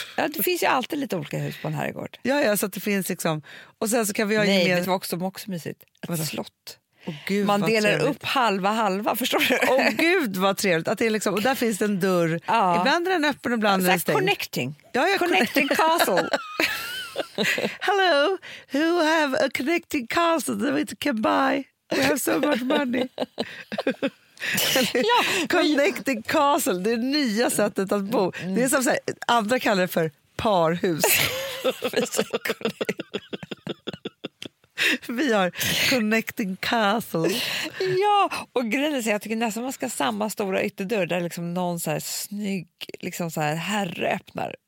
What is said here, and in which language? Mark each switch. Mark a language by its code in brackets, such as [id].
[sv] Ja, det finns ju alltid lite olika hus på en herrgård. Ja, så att det finns liksom. Och sen så kan vi ha gemensamt. Nej, det var också mysigt. Ett slott. Oh, gud, man delar trevligt. Upp halva, förstår du? Åh, gud, vad trevligt. Att det är liksom, och där finns det en dörr. Ja. Ibland är den öppen, ibland är den stängd. [en] Connecting. [sv] Ja, jag [en] connecting castle. Hello, who have a connecting castle that we can buy? We have so much money. [sv] Ja, connecting castle, det är det nya sättet att bo. Det är som så här, andra kallar det för parhus. Vi har connecting castle. Ja, och grejen är att jag tycker nästan att man ska ha samma stora ytterdörr där liksom någon så här snygg liksom så här herre öppnar.